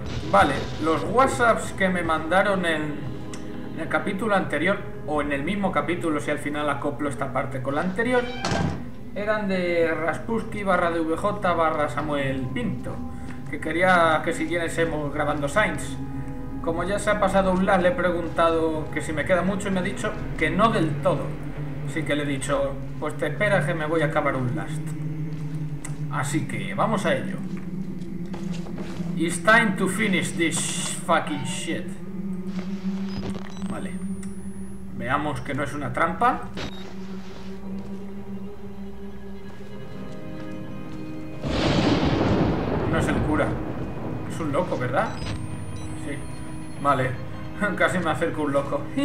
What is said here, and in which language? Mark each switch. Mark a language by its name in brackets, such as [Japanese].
[Spanish] Vale, los WhatsApps que me mandaron en el capítulo anterior, o en el mismo capítulo, si al final acoplo esta parte con la anterior, eran de Raspuski barra DVJ barra Samuel Pinto, que quería que siguiésemos grabando Saints. Como ya se ha pasado un lag, le he preguntado que si me queda mucho y me ha dicho que no del todo. Así que le he dicho, pues te esperas que me voy a acabar un last. Así que vamos a ello. [English] It's time to finish this fucking shit. [Spanish] Vale. Veamos que no es una trampa. No es el cura. Es un loco, ¿verdad? Sí. Vale. Casi me acerco a un loco.